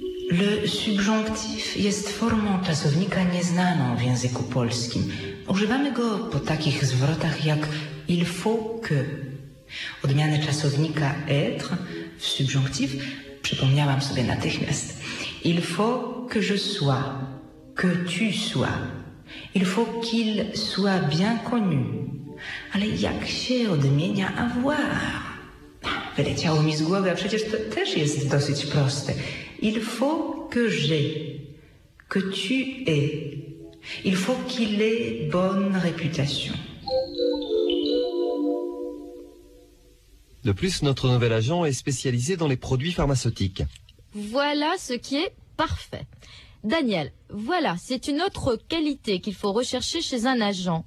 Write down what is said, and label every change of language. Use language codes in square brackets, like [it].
[pl] Le subjonctif jest formą czasownika nieznaną w języku polskim. Używamy go po takich zwrotach jak [fr] il faut que. [pl] Odmiany czasownika être w subjonctif przypomniałam sobie natychmiast. [fr] Il faut que je sois, que tu sois. Il faut qu'il soit bien connu. [pl] Ale jak się odmienia avoir? Wyleciało mi z głowy, a przecież to też jest dosyć proste. [fr] Il faut que j'ai, que tu aies. Il faut qu'il ait bonne réputation. De plus, notre nouvel agent est spécialisé dans les produits pharmaceutiques. Voilà ce qui est parfait. Daniel, voilà, c'est une autre qualité qu'il faut rechercher chez un agent.